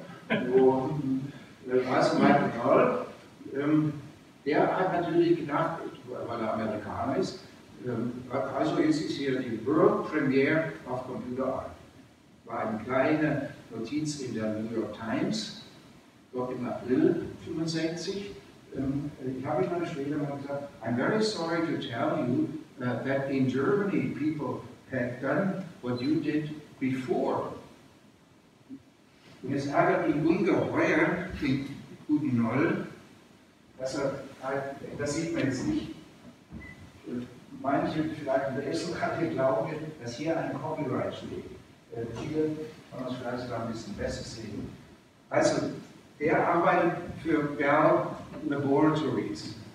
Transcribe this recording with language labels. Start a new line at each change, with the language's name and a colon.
German: Was meint Paul? Der hat natürlich gedacht, weil er Amerikaner ist, also jetzt ist hier die World Premiere of Computer Art. War eine kleine Notiz in der New York Times, dort im April 65. Ich habe meine Schwede mal gesagt,
English: I'm very sorry to tell you that in Germany people had done what you did before.
German: Und es ärgert ihn ungeheuer, den guten Noll, dass er, das sieht man jetzt nicht. Manche vielleicht in der ersten Kategorie glauben, dass hier ein Copyright steht. Hier kann man es vielleicht sogar ein bisschen besser sehen. Also, er arbeitet für Bell Laboratories.